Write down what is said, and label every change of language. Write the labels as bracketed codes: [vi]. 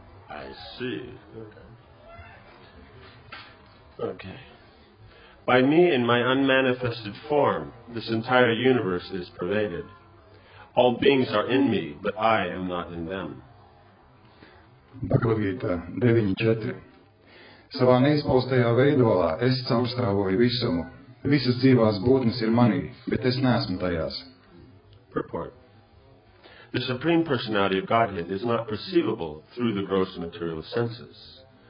[en] I see. Okay. By me in my unmanifested form, this entire universe is pervaded. All beings are in me, but I am not in them. Bhagavad-gītā 9.4. [lv] Savā neizpaustajā veidolā es caurstrāvoju visumu. Visas dzīvās būtnes ir manī, bet es neesmu tajās. [en] Purport. The Supreme Personality of Godhead is not perceivable through the gross material senses.